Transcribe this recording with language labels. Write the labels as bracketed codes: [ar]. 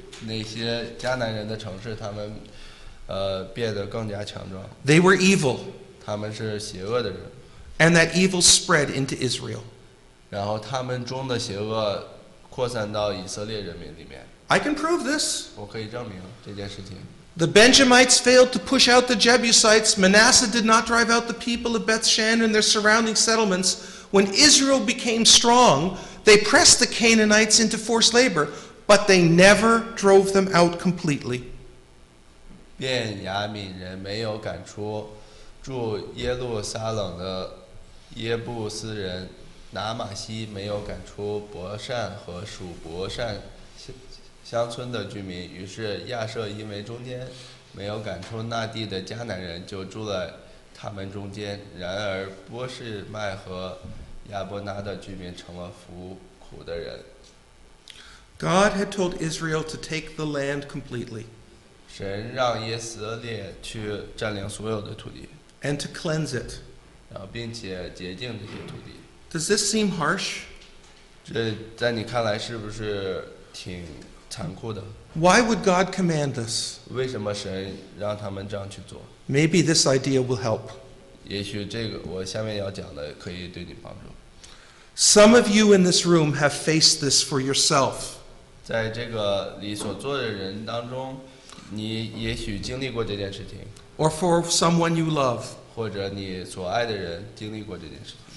[zh] 那些迦南人的城市，他们变得更加强壮。 [en] They were evil. [zh] 他们是邪恶的人。 [en] And that evil spread into Israel. [zh] 然后他们中的邪恶扩散到以色列人民里面。 [en] I can prove this. [zh] 我可以证明这件事情。 [en] The Benjamites failed to push out the Jebusites. Manasseh did not drive out the people of Beth-shan and their surrounding settlements. When Israel became strong, they pressed the Canaanites into forced labor, but they never drove them out completely. [zh] 便雅悯人没有赶出住耶路撒冷的耶布斯人，拿马西没有赶出伯善和属伯善乡村的居民，于是亚舍因为中间没有赶出那地的迦南人，就住在他们中间。然而波士麦和亚伯拿的居民成了服苦的人。 [en] God had told Israel to take the land completely. [zh] 神让以色列去占领所有的土地。 [en] And to cleanse it. [zh] 然后并且洁净这些土地。 [en] Does this seem harsh? [zh] 这在你看来是不是挺？残酷的。 [en] Why would God command this? [zh] 为什么神让他们这样去做？ [en] Maybe this idea will help. [zh] 也许这个我下面要讲的可以对你帮助。 [en] Some of you in this room have faced this for yourself. [zh] 在这个你所做的人当中，你也许经历过这件事情。 [en] Or for someone you love. [zh] 或者你所爱的人经历过这件事情。